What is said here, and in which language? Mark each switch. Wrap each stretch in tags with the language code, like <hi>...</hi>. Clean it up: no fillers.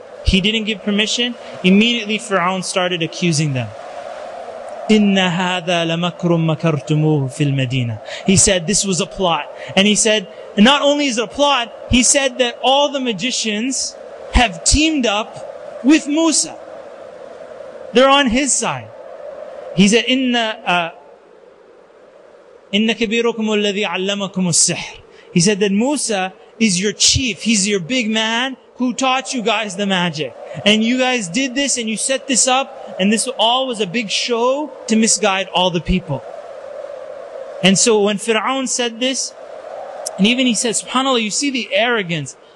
<en>He didn't give permission. Immediately Fir'aun started accusing them.</en> <ar>إِنَّ هَذَا لَمَكْرٌ مَكَرْتُمُوهُ فِي الْمَدِينَةِ.</ar> <en>He said, this was a plot. And he said, and not only is it a plot, he said that all the magicians have teamed up with Musa. They're on his side. He said,</en> <ar>إِنَّ كَبِيرُكُمُ الَّذِي عَلَّمَكُمُ السِّحْرِ.</ar> <en>He said that Musa is your chief. He's your big man who taught you guys the magic. And you guys did this and you set this up. And this all was a big show to misguide all the people. And so when Fir'aun said this, and even he said, subhanAllah, you see the arrogance.</en>